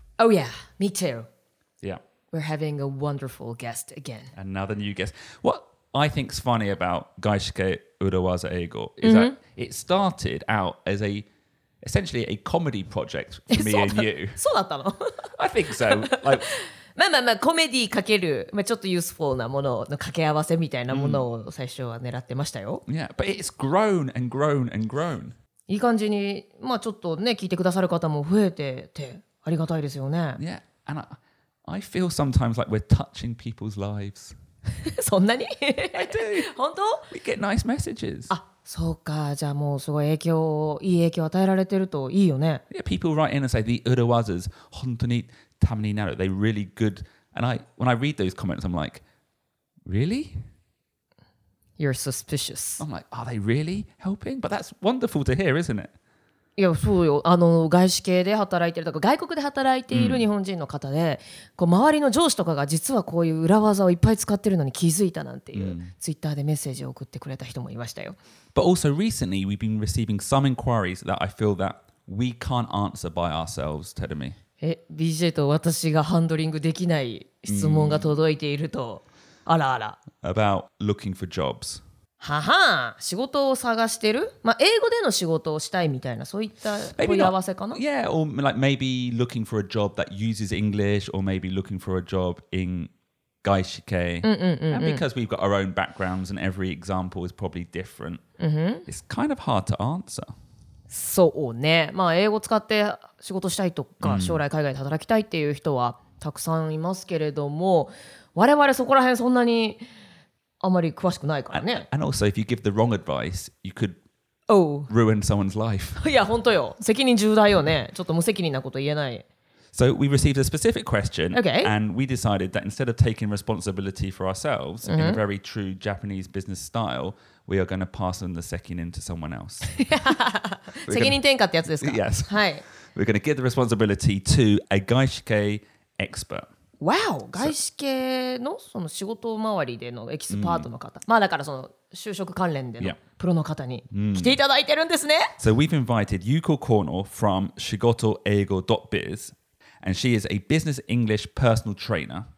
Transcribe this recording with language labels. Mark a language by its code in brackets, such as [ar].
[en] Oh yeah, me too. Yeah. We're having a wonderful guest again. Another new guest. What I think's funny about Gaishike Urawaza Eigo is mm-hmm. that it started out as essentially a comedy project for me and you. [ja] そうだったの? [en] I think so. Like, [ja] まあまあまあコメディかける、まあ、ちょっとユースフォーなものの掛け合わせみたいなものを最初は狙ってましたよ。 [en] Yeah, but it's grown and grown and grown. [ja] いい感じに、まあ、ちょっとね、聞いてくださる方も増えててありがたいですよね。 [en] Yeah, and I feel sometimes like we're touching people's lives. [ja] そんなに? [en] I do. [ja] 本当? [en] We get nice messages. [ja] あ、そうか。じゃあもうすごい影響、いい影響を与えられてるといいよね。 [en] Yeah, people write in and say, the Urawazas, [ja] 本当にためになる。 [en] They're really good. And when I read those comments, I'm like, really? You're suspicious. I'm like, are they really helping? But that's wonderful to hear, isn't it? [ja] いや、そうよ。外資系で働いてるとか、外国で働いている日本人の方で、こう周りの上司とかが実はこういう裏技をいっぱい使ってるのに気づいたなんていう、ツイッターでメッセージを送ってくれた人もいましたよ。 [en] But also recently, we've been receiving some inquiries that I feel that we can't answer by ourselves, Terumi. [ja] BJ と私がハンドリングできない質問が届いていると、あらあら。 [en] About looking for jobs. [ja] はは、仕事を探してる？まあ英語での仕事をしたいみたいな、そういった問い合わせかな？ [en] Maybe not. Yeah, or like maybe looking for a job that uses English, or maybe looking for a job in 外資系. And because we've got our own backgrounds and every example is probably different, it's kind of hard to answer. [ja] そうね。まあ英語使って仕事したいとか、将来海外で働きたいっていう人はたくさんいますけれども、我々そこら辺そんなにあまり詳しくないからね。 [en] And also, if you give the wrong advice, you could、 oh. ruin someone's life. [ja] いや、本当よ。責任重大よね。ちょっと無責任なこと言えない。 [en] So we received a specific question,、 okay. and we decided that instead of taking responsibility for ourselves、mm-hmm. in a very true Japanese business style, we are going to pass on the sekinin to someone else. [ja] 責任転嫁ってやつですか? [en] Yes. [ja] はい。 [en] We're going to give the responsibility to a 外資系 expert. Wow! [ja] 外資系 の, その仕事周りでのエキスパートの方、まあだからその就職関連でのプロの方に来ていただいてるんですね、 [en] So we've invited Yuko Kono from 仕事英語 .biz and she is a business English personal trainer.